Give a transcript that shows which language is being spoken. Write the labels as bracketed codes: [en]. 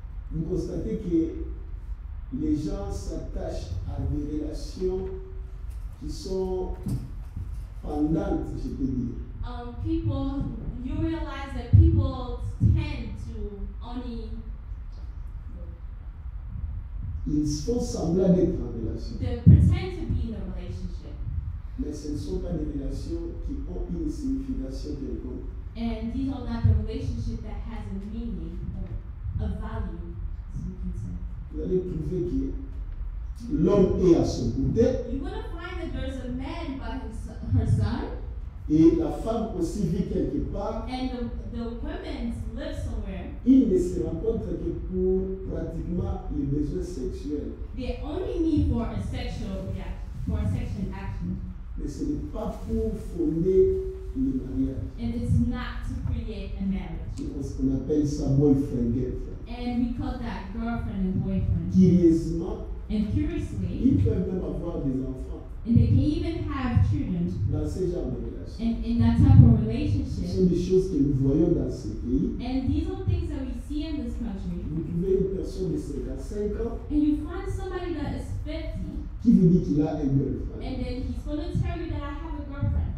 [fr] vous constatez que les gens s'attachent à des relations qui sont pendantes, je peux dire. [en] You realize that people tend to only. [fr] Ils font semblant d'être en relation. [en] They pretend to be in a relationship. [fr] Mais ce ne sont pas des relations qui ont une signification quelconque. [en] And these are not the relationship that has a meaning, a value, as you can say. [fr] Vous allez prouver que l'homme est à son côté. [en] You're going to find that there's a man by her side. [fr] Et la femme aussi vit quelque part. [en] And the women live somewhere. [fr] Ils ne se rencontrent que pour pratiquement les besoins sexuels. [en] They only need for a sexual, yeah, for a sexual action. [fr] Mais ce n'est pas pour fonder une mariage. [en] And it's not to create a marriage. [fr] C'est ce qu'on appelle sa [en] boyfriend girlfriend. And we call that girlfriend and boyfriend. [fr] Curieusement. [en] And curiously. [fr] Ils peuvent même avoir des enfants. [en] And they can even have children. [fr] Dans ce genre de relation. [en] And in that type of relationship. [fr] Ce sont des choses que nous voyons dans ce pays. [en] And these are things that we see in this country. [fr] Vous trouvez une personne de 55 ans. [en] And you find somebody that is 50. [fr] Qui vous dit qu'il a une girlfriend. [en] And then he's going to tell you that I have a girlfriend.